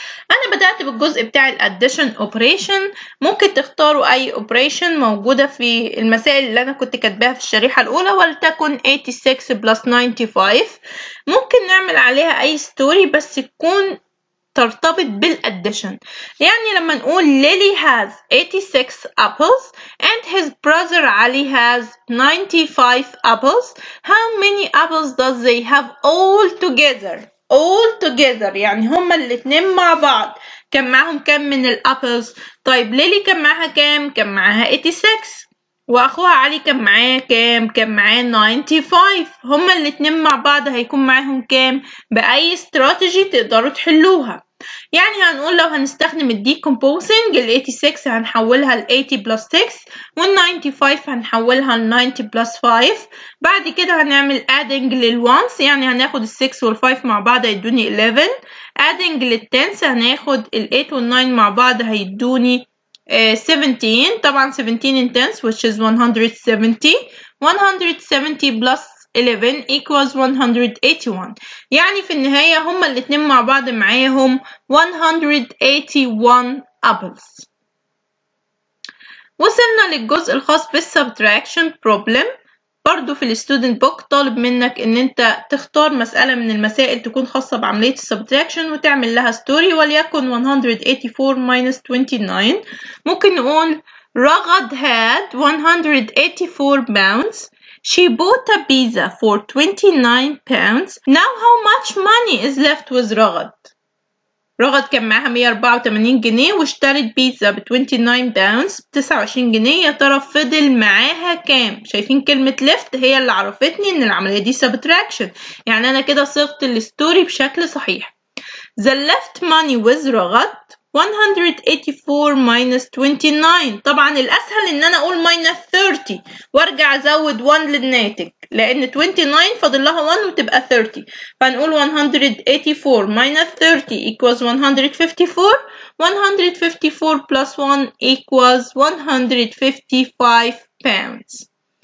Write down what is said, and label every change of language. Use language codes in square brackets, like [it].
[ar] انا بدأت بالجزء بتاع الaddition operation. ممكن تختاروا اي operation موجودة في المسائل اللي انا كنت كتبها في الشريحة الاولى ولتكن 86 plus 95. ممكن نعمل عليها اي story بس تكون ترتبط بالaddition. يعني لما نقول [en] Lily has 86 apples and his brother Ali has 95 apples, how many apples does they have all together? All together [ar] يعني هما الاثنين مع بعض كان معهم كم من الapples؟ طيب ليلي كان معها كم؟ كان معها 86 واخوها علي كان معاه كام؟ كان معاه 95. هما الاثنين مع بعض هيكون معاهم كام؟ باي استراتيجي تقدروا تحلوها؟ يعني هنقول لو هنستخدم الديكومبوزنج ال86 هنحولها ل80 plus 6 وال95 هنحولها ل90 plus 5. بعد كده هنعمل ادنج للونس يعني هناخد ال6 وال5 مع بعض هيدوني 11. ادنج للتنس هناخد ال8 وال9 مع بعض هيدوني 17. طبعا [en] 17 in tens which is 170 plus 11 equals 181. [ar] يعني في النهاية هما الاثنين مع بعض معاهم 181 apples. وصلنا للجزء الخاص بالsubtraction problem. برضو في الstudent book طالب منك ان انت تختار مسألة من المسائل تكون خاصة بعملية subtraction وتعمل لها story وليكن 184 minus 29. ممكن نقول [en] رغد had 184 pounds. She bought a pizza for 29 pounds. Now how much money is left with رغد؟ [ar] رغد كان معها 184 جنيه واشترت بيتزا ب 29 باونز ب 29 جنيه. يا ترى فضل معاها كام؟ شايفين كلمة left هي اللي عرفتني ان العملية دي subtraction. يعني انا كده صيغت الستوري بشكل صحيح. [en] The left money with رغد 184 minus 29. [ar] طبعا الاسهل ان انا اقول minus 30 وارجع ازود 1 للناتج لان 29 فاضل لها 1 وتبقى 30. فنقول [en] 184 minus 30 equals 154 plus 1 equals 155 pounds.